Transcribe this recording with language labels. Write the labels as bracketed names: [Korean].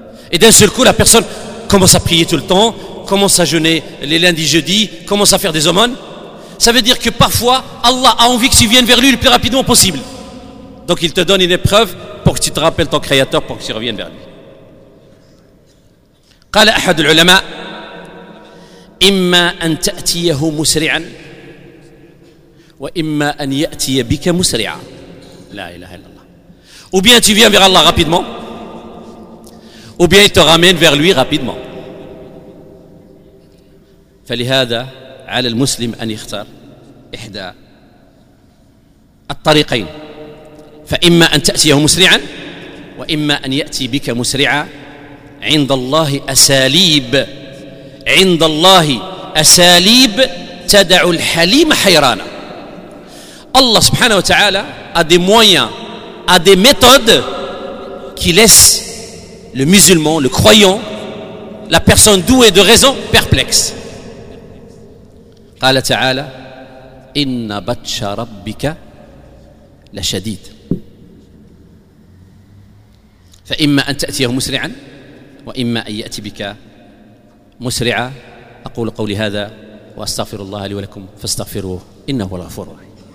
[French] Et d'un seul coup, la personne commence à prier tout le temps, commence à jeûner les lundis, jeudis, commence à faire des aumônes. Ça veut dire que parfois, Allah a envie que tu viennes vers lui le plus rapidement possible. Donc il te donne une épreuve pour que tu te rappelles ton Créateur, pour que tu reviennes vers lui. [Arabic] قال أحد العلماء إما أن تأتيه مسرعا وإما أن يأتي بك مسرعا لا إله إلا الله [French] ou bien tu viens vers Allah rapidement ou bien il te ramène vers lui rapidement. [Arabic] فلهذا على المسلم أن يختار إحدى الطريقين فإما أن تأتيه مسرعا وإما أن يأتي بك مسرعا عند الله أساليب عند الله أساليب تدع الحليم حيرانا. الله سبحانه وتعالى [French] a des moyens, a des méthodes qui laissent le musulman, le croyant, la personne douée de raison perplexe. [Arabic] قال تعالى إن بطش ربك لشديد فإما أن تأتيه مسرعا وإما أن يأتي بك مسرعا. أقول قولي هذا وأستغفر الله لي ولكم فاستغفروه إنه هو الغفور الرحيم.